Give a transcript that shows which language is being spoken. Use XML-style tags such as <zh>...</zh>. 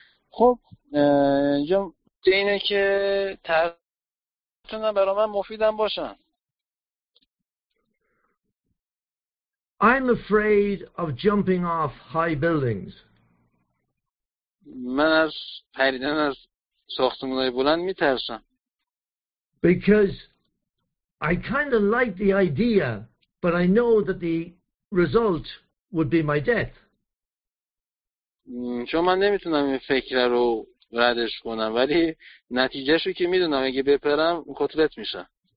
<fa>خب اینجا اینه که ترتونم برای من مفیدم باشن.</fa> <en>I'm afraid of jumping off high buildings.</en> <fa>من از پریدن از ساختمان‌های بلند میترسم.</fa> <en>Because I kind of like the idea, but I know that the result would be my death.</en> <fa>چون من نمیتونم این فکر رو ردش کنم، ولی نتیجهش رو که میدونم اگه بپرم کتلت میشم.</fa>